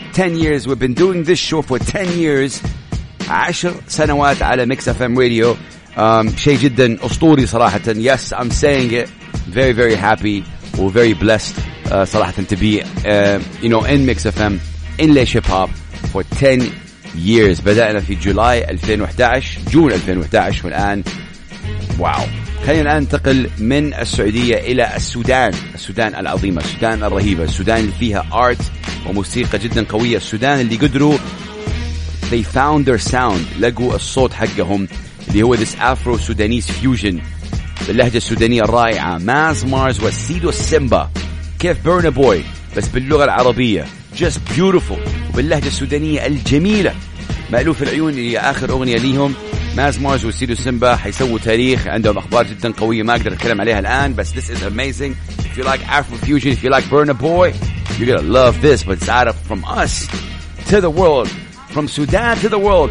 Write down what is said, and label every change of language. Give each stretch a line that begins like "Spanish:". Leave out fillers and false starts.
English: 10 years we've been doing this show for 10 years.
Arabic: 10 سنوات على ميكس أف أم راديو. شيء جدا أسطوري صراحة.
English: Yes, I'm saying it. Very very happy and very blessed صراحة to be you know, in Mix FM, in Laish Hip Hop for 10 years.
Arabic: بدأنا في جولاي 2011، جون 2011، والآن واو. خلينا الآن ننتقل من السعودية إلى السودان. السودان العظيمة، السودان الرهيبة، السودان اللي فيها art وموسيقى جدا قوية. السودان اللي قدروا
English: they found their sound،
Arabic: لقوا الصوت حقهم اللي هو
English: this Afro Sudanese fusion،
Arabic: باللهجة السودانية الرائعة. ماز مارز وسيدو سيمبا كيف بيرنر بوي بس باللغة العربية،
English: just beautiful،
Arabic: وباللهجة السودانية الجميلة. مألوف العيون اللي آخر أغنية ليهم. ماز مارز وسيدو سيمبا حيسووا تاريخ، عندهم أخبار جدا قوية ما أقدر أتكلم عليها الآن، بس
English: this is amazing. If you like Afro Fusion, if you like Burner Boy, you're gonna love this. But it's out of from us to the world, from Sudan to the world.